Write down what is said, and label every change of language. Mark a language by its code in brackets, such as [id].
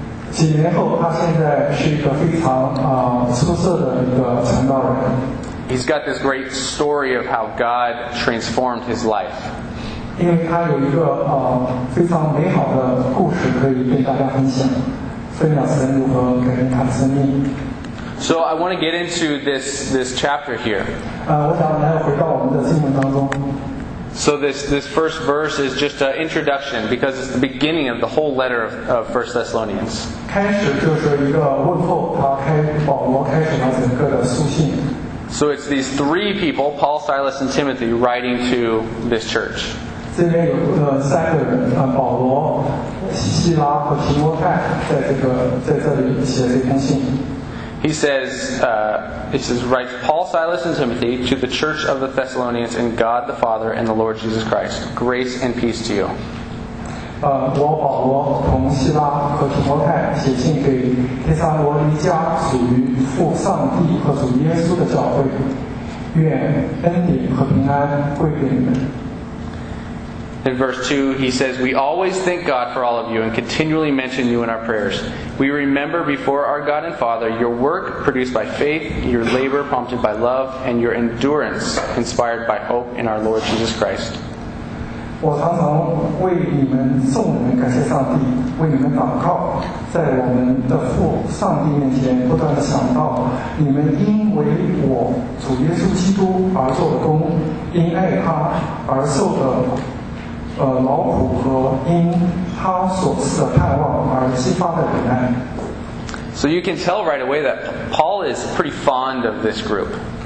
[zh] 几年后，他现在是一个非常出色的一个传道人。 [en] He's got this great story of how God transformed his life. [zh] 因为他有一个非常美好的故事可以跟大家分享，分享神如何改变他的生命。 [en] So I want to get into this chapter here. [zh] 我想来回到我们的经文当中。 [en] So this first verse is just an introduction because it's the beginning of the whole letter of 1 Thessalonians. [zh] 开始就是一个问候，保罗开始了整个的书信。 [en] So it's these three people, Paul, Silas, and Timothy, writing to this church. [zh] 这边有三个人，保罗、希拉和提摩太，在这里写这封信。 [en] He says, write Paul, Silas, and Timothy to the church of the Thessalonians in God the Father and the Lord Jesus Christ. Grace and peace to you. [zh] 我保罗同希拉和提摩太写信给帖撒罗尼迦属于父上帝和主耶稣的教会，愿恩典和平安归给你们。 [en] In verse 2, he says, We always thank God for all of you and continually mention you in our prayers. We remember before our God and Father your work produced by faith, your labor prompted by love, and your endurance inspired by hope in our Lord Jesus Christ. [zh] 我常常为你们众人感谢上帝，为你们祷告，在我们的父上帝面前不断地想到你们因为我主耶稣基督而做的功，因爱他而受的劳苦和因他所赐的盼望而激发的忍耐。 [en] So you can tell right away that Paul is pretty fond of this group.